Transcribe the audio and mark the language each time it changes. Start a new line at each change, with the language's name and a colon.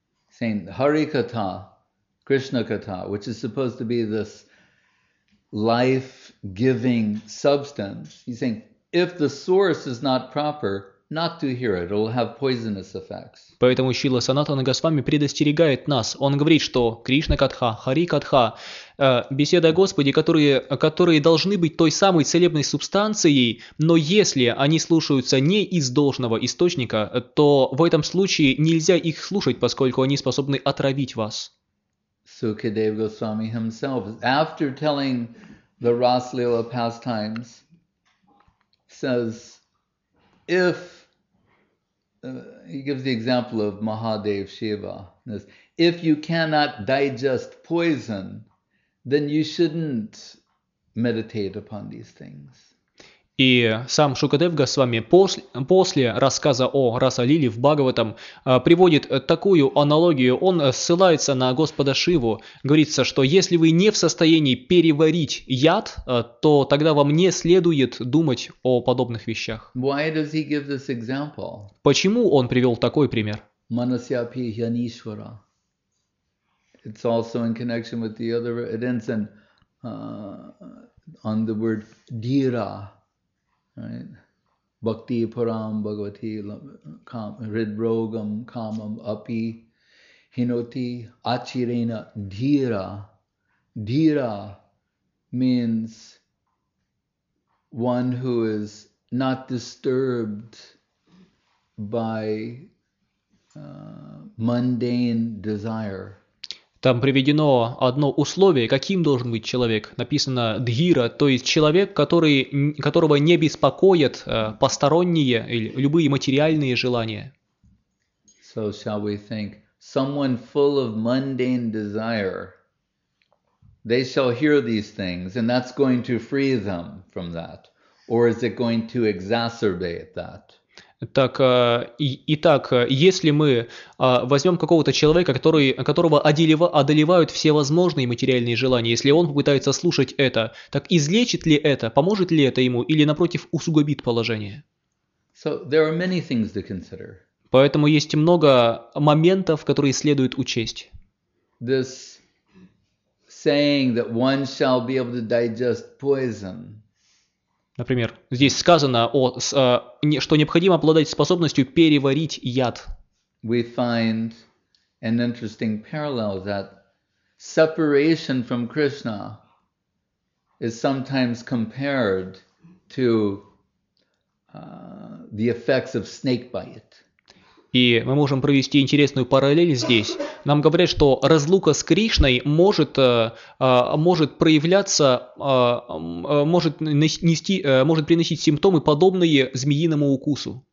English: Saying Harikatha, Krishna Katha, which is supposed to be this life-giving substance, he's saying, if the source is not proper, not to hear it, it will have poisonous effects.
Russian: Поэтому Шрила Санатана Госвами предостерегает нас. Он говорит, что Кришна Катха, Хари Катха, беседа о Господе, которые должны быть той самой целебной субстанцией, но если они слушаются не из должного источника, то в этом случае нельзя их слушать, поскольку они способны отравить вас.
English: Сукадев Госвами himself, after telling the Раслила pastimes, says, if he gives the example of Mahadev Shiva. If you cannot digest poison, then you shouldn't meditate upon these things.
Russian: И сам Шукадев Госвами после рассказа о Расалиле в Бхагаватам приводит такую аналогию. Он ссылается на Господа Шиву. Говорится, что если вы не в состоянии переварить яд, то тогда вам не следует думать о подобных вещах.
English: Why does he give this example?
Russian: Почему он привел такой пример?
Sanskrit: Манасяпи Янишвара.
English: It's also in connection with the other, it ends in, on the word Dhira.
Sanskrit: Right, bhakti param bhagavati ridrogam kamam api hinoti achirena dhira.
English: Dhira means one who is not disturbed by mundane desire.
Russian: Там приведено одно условие, каким должен быть человек. Написано «дхира», то есть человек, которого не беспокоят посторонние или любые материальные желания.
English: So shall we think, someone full of mundane desire, they shall hear these things, and that's going to free them from that. Or is it going to exacerbate that?
Russian: Итак, если мы возьмем какого-то человека, которого одолевают всевозможные материальные желания, если он пытается слушать это, так излечит ли это, поможет ли это ему или, напротив, усугубит положение?
English: So there are many things to consider.
Russian: Поэтому есть много моментов, которые следует учесть.
English: This saying that one shall be able to digest poison.
Russian: Например, здесь сказано, что необходимо обладать способностью переварить яд.
English: We find an interesting parallel that separation from Krishna is sometimes compared to the effects of snake bite.
Russian: И мы можем провести интересную параллель здесь. Нам говорят, что разлука с Кришной может приносить симптомы, подобные змеиному укусу.